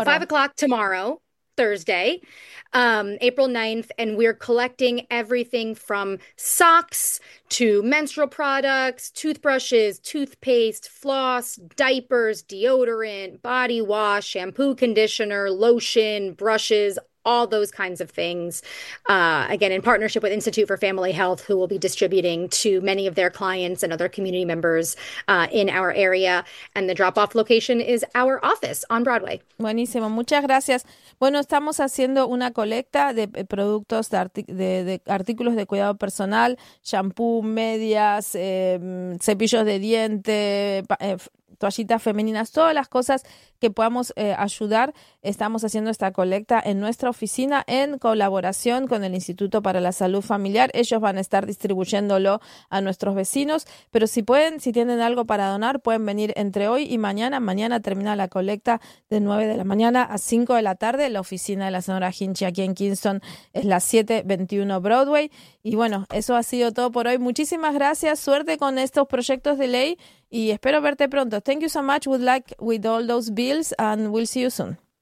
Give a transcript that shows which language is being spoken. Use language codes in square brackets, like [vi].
[en] Until 5 o'clock tomorrow. Thursday, April 9th, and we're collecting everything from socks to menstrual products, toothbrushes, toothpaste, floss, diapers, deodorant, body wash, shampoo, conditioner, lotion, brushes, all those kinds of things. Again, in partnership with Institute for Family Health, who will be distributing to many of their clients and other community members in our area. And the drop-off location is our office on Broadway. [es] Buenísimo, muchas gracias. Bueno, estamos haciendo una colecta de productos de artículos de cuidado personal, shampoo, medias, cepillos de diente, toallitas femeninas, todas las cosas que podamos ayudar. Estamos haciendo esta colecta en nuestra oficina en colaboración con el Instituto para la Salud Familiar. Ellos van a estar distribuyéndolo a nuestros vecinos, pero si pueden, si tienen algo para donar, pueden venir entre hoy y mañana. Mañana termina la colecta de 9 de la mañana a 5 de la tarde. La oficina de la señora Hinchy aquí en Kingston es la 721 Broadway. Y bueno, eso ha sido todo por hoy. Muchísimas gracias. Suerte con estos proyectos de ley y espero verte pronto. [en] Thank you so much. Good luck with all those bills and we'll see you soon.